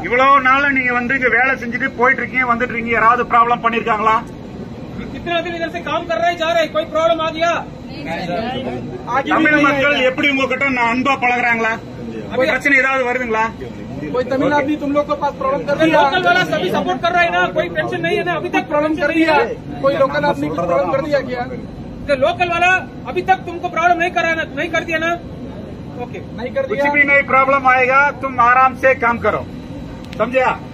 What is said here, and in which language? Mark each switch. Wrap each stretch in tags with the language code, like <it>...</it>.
<ta>இவ்வளவு நாள் நீங்க வந்து இங்க வேலை செஞ்சிட்டு போயிட்டு இருக்கீங்க, வந்துட்டு இருக்கீங்க, யாராவது प्रॉब्लम பண்ணிருக்காங்களா?</ta> <hi>कितना दिन इधर से काम कर रहे जा रहे, कोई प्रॉब्लम आ गया? आगे भी नहीं.</hi> <ta>தமிழ் மக்கள் எப்படி உங்ககிட்ட நான் அன்பா பழகுறாங்களா? அபி பிரச்சனை ஏதாவது வருதுங்களா?</ta> <hi>कोई तमिल आदमी तुम लोग के पास प्रॉब्लम कर रही है? लोकल वाला सभी सपोर्ट कर रहा है ना, कोई टेंशन नहीं है ना? अभी तक प्रॉब्लम कर रही है कोई लोकल आदमी को? प्रॉब्लम कर दिया क्या? तो लोकल वाला अभी तक तुमको प्रॉब्लम नहीं करा ना? नहीं कर दिया ना? ओके नहीं कर दिया. कुछ भी नहीं प्रॉब्लम आएगा, तुम आराम से काम करो, समझे?</hi>